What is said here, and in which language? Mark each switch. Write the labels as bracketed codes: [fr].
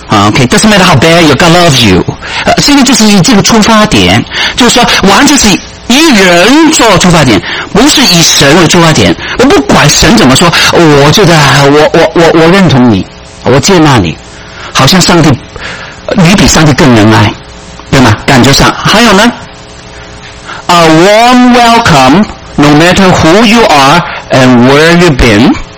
[en] Okay, doesn't matter how bad you, God loves you. [zh] 现在就是以这个出发点，就是说，完全是以人做出发点，不是以神为出发点。我不管神怎么说，我觉得我认同你，我接纳你，好像上帝。你比上帝更仁爱，对吗？感觉上还有呢 [en] ？A warm welcome, no matter who you are and where you've been.